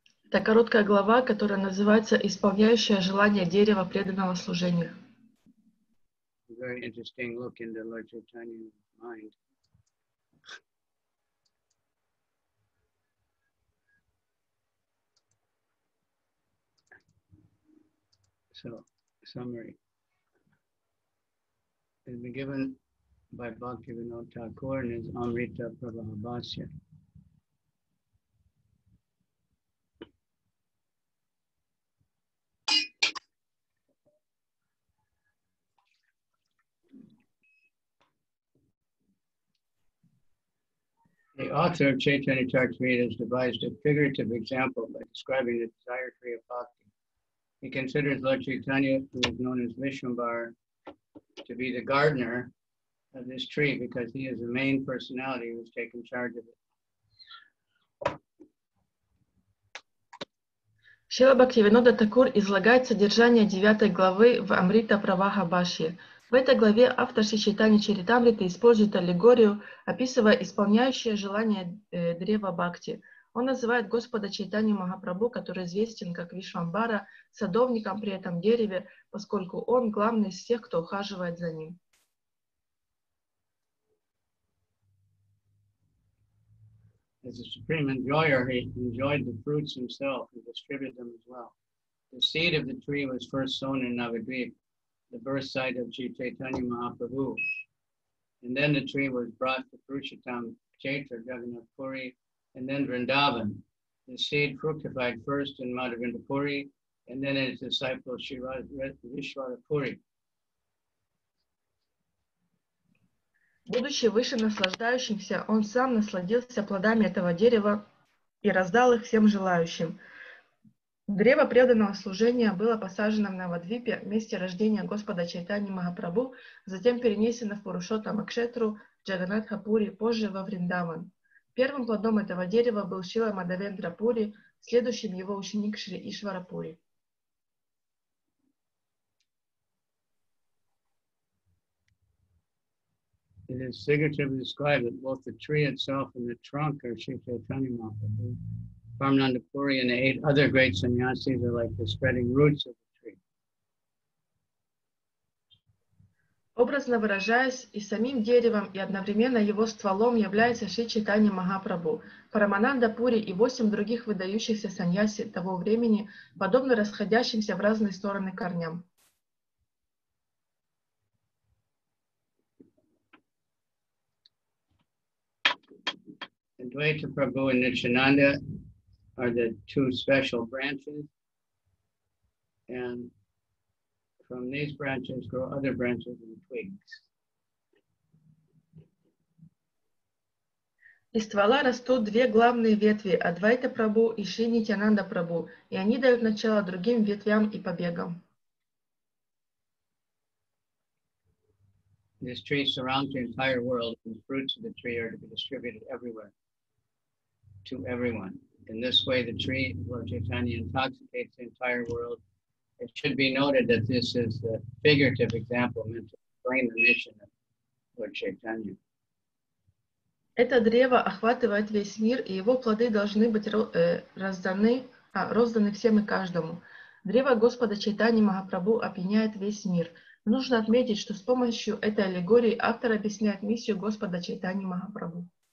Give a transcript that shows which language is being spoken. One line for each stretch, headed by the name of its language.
Russian: Это короткая глава, которая называется «Исполняющее желание древа преданного служения».
English: Very interesting look in the Lord Chaitanya's mind. So, summary. It's been given by Bhakti Vinod Thakur in his Amrita Prabhavasya. The author of Chaitanya-caritāmṛta has devised a figurative example by describing the desire tree of bhakti. He considers Lord Chaitanya, who is known as Vishwambhar, to be the gardener of this tree because he is the main personality who has taken charge of it.
Russian: Шрила Бхактивинода Такур излагает содержание 9 главы в Амрита Праваха Бхашья. В этой главе автор Шри Чайтанья Чаритамриты использует аллегорию, описывая исполняющее желание древа бхакти. Он называет Господа Чайтанью Махапрабху, который известен как Вишвамбара, садовником при этом дереве, поскольку он главный из всех, кто ухаживает за ним.
English: As a supreme enjoyer, he enjoyed the fruits himself and distributed them as well. The seed of the tree was first sown in Navadvip, the birth site of Sri Chaitanya Mahaprabhu. And then the tree was brought to Purushottam Kshetra, Jagannath Puri, and then Vrindavan. The seed fructified first in Madhavendra Puri, and then in his disciple Sri Vishwara Puri.
Russian: Будучи выше наслаждающимся, он сам насладился плодами этого дерева и раздал их всем желающим. Древо преданного служения было посажено в Навадвипе, месте рождения Господа Чайтани Махапрабху, затем перенесено в Пурушоттама Кшетру, Джаганнатха Пури, позже во Вриндаван. Первым плодом этого дерева был Шрила Мадхавендра Пури, следующим его ученик Шри Ишвара Пури.
English: It is figuratively described that both the tree itself and the trunk are Sri Chaitanya Mahaprabhu. Paramananda Puri and the eight other great sannyasis are like the spreading roots of the tree.
Russian: Образно выражаясь, и самим деревом, и одновременно его стволом является Шри Чайтанья Махапрабху. Парамананда Пури и восемь других выдающихся сannyasi того времени подобны расходящимся в разные стороны корням.
English: Advaita Prabhu and Nityananda are the two special branches, and from these branches grow other branches and twigs.
Russian: Из ствола растут две главные ветви, Адвайта Прабху и Шри Нитянанда Прабху, и они дают начало другим ветвям и побегам.
English: This tree surrounds the entire world, and the fruits of the tree are to be distributed everywhere. To everyone. In this way, the tree of Lord Chaitanya intoxicates the entire world. It should be noted that this is the figurative example meant to explain the mission of Lord Chaitanya.
Russian: Это древо охватывает весь мир, и его плоды должны быть розданы всем и каждому. Древо Господа Чайтаньи Махапрабху опьяняет весь мир. Нужно отметить, что с помощью этой аллегории автор объясняет миссию Господа Чайтаньи Махапрабху.